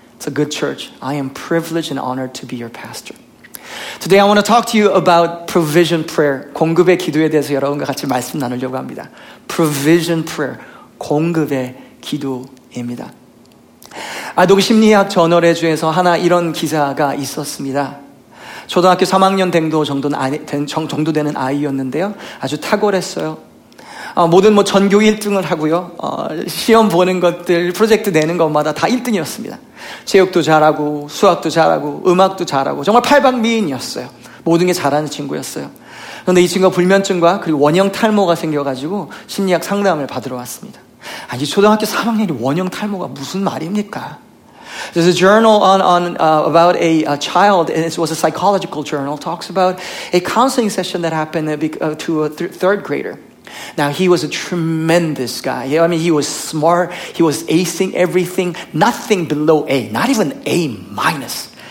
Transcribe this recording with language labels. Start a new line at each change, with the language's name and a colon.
English: It's a good church. I am privileged and honored to be your pastor. Today I want to talk to you about provision prayer.
Korean: 공급의 기도에 대해서 여러분과 같이 말씀 나누려고 합니다.
English: Provision prayer.
Korean: 공급의 기도입니다. 아동심리학 저널에 중에서 하나 이런 기사가 있었습니다. 초등학교 3학년 정도 되는 아이였는데요. 아주 탁월했어요. 모든 뭐 전교 1등을 하고요. 시험 보는 것들, 프로젝트 내는 것마다 다 1등이었습니다. 체육도 잘하고 수학도 잘하고 음악도 잘하고 정말 팔방미인이었어요. 모든 게 잘하는 친구였어요. 그런데 이 친구가 불면증과 그리고 원형 탈모가 생겨가지고 심리학 상담을 받으러 왔습니다. 아니, 초등학교 3학년이 원형 탈모가 무슨 말입니까?
English: There's a journal about a child, and it was a psychological journal, talks about a counseling session that happened to a third grader. Now, he was a tremendous guy. I mean, he was smart. He was acing everything. Nothing below A. Not even A minus.